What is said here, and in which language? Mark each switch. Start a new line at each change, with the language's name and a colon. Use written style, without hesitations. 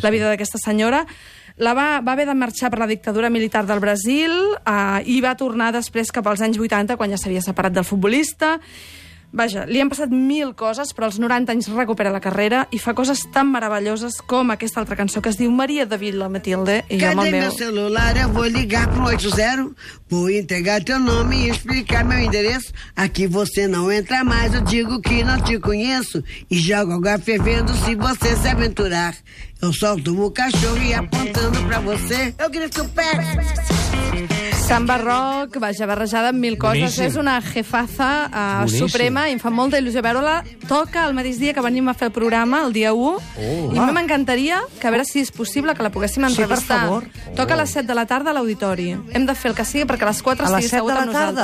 Catalan: La vida d'aquesta senyora. Va haver de marxar per la dictadura militar del Brasil i va tornar després cap als anys 80, quan ja s'havia separat del futbolista. Vaja, li han passat mil coses, però als 90 anys recupera la carrera i fa coses tan meravelloses com aquesta altra cançó que es diu Maria de Vila Matilde i jo amb el meu.
Portuguese: Celular, eu vou ligar pro 80, vou entregar teu nome e explicar meu endereço. Aqui você não entra mais, eu digo que não te conheço e jogo água fervendo se você se aventurar. Eu solto o cachorro e apontando pra você, eu grito pé.
Catalan: Samba rock, vaja, barrejada amb mil coses. Boníssim. És una jefaza suprema i em fa molta il·lusió veure-la. Toca el mateix dia que venim a fer el programa, el dia 1, i m'encantaria que a veure si és possible que la poguéssim entrevistar. Sí, per favor. Toca a les 7 de la tarda a l'auditori. Hem de fer el que sigui perquè a les 4 estigui segut amb nosaltres.